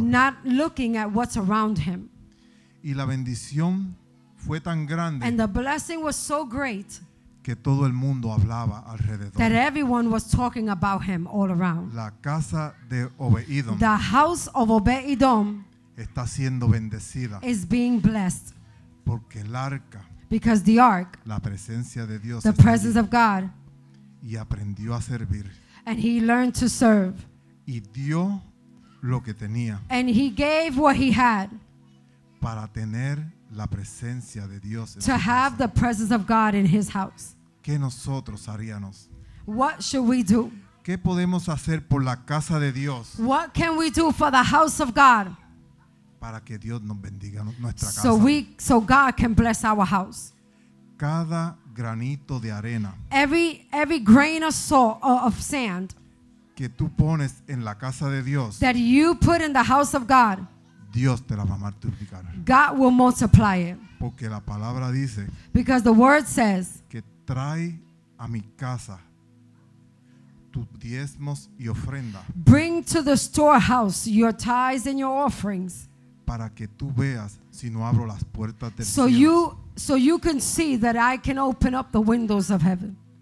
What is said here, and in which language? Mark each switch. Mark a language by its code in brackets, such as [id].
[en] Not looking at what's around him. [es] Y la bendición fue tan grande. [en] And the blessing was so great. [es] Que todo el mundo hablaba alrededor. [en] That everyone was talking about him all around. [es] La casa de Obed-Edom. [en] The house of Obed-Edom. [es] Está siendo bendecida. [en] Is being blessed. [es] Porque el arca. [en] Because the ark. [es] La presencia de Dios. [en] The presence of God. [es] Y aprendió a servir. [en] And he learned to serve. [es] Y dio lo que tenía. [en] And he gave what he had. [es] Para tener la presencia de Dios. [en] To have the presence of God in his house. [es] ¿Qué nosotros haríamos? [en] What should we do? [es] ¿Qué podemos hacer por la casa de Dios? [en] What can we do for the house of God? [es] Para que Dios nos bendiga nuestra casa. [en] So God can bless our house. [es] Cada granito de arena. [en] Every grain of salt or of sand. [es] Que tú pones en la casa de Dios, [en] that you put in the house of God, [es] Dios te la va a multiplicar. [en] God will multiply it. [es] Porque la palabra dice, [en] because the word says, [es] que trae a mi casa tus diezmos y ofrenda. [en] Bring to the storehouse your tithes and your offerings. [es] Para que tú veas si no abro las puertas del cielo. [en] So you can see that I can open up the windows of heaven.